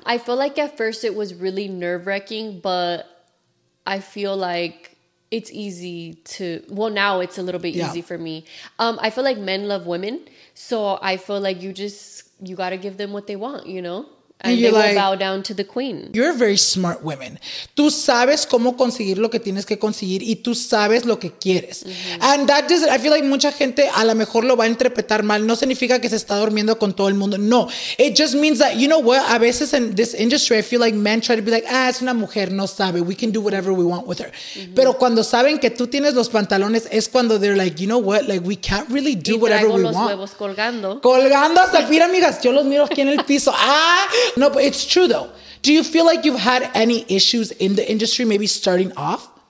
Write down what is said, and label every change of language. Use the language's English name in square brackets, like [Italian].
[English] I feel like at first it was really nerve-wracking, but I feel like it's easy to, well, now it's a little bit easy for me. I feel like men love women, so I feel like you gotta give them what they want, you know? And you're they will bow down to the queen. You're a very smart woman. [Spanish] Tú sabes cómo conseguir lo que tienes que conseguir y tú sabes lo que quieres. Mm-hmm. And that doesn't, I feel like mucha gente a lo mejor lo va a interpretar mal. No significa que se está durmiendo con todo el mundo. [English] No. It just means that, you know what? [Spanish] A veces [English] in this industry, I feel like men try to be like, [Spanish] ah, es una mujer, no sabe. [English] We can do whatever we want with her. Mm-hmm. [Spanish] Pero cuando saben que tú tienes los pantalones, es cuando [English] they're like, you know what? Like, we can't really do whatever we want. [Spanish] Y traigo los huevos colgando. Colgando hasta, mira, amigas, yo los miro aquí en el piso. [English] Ah, no, but it's true though. Do you feel like you've had any issues in the industry, maybe starting off?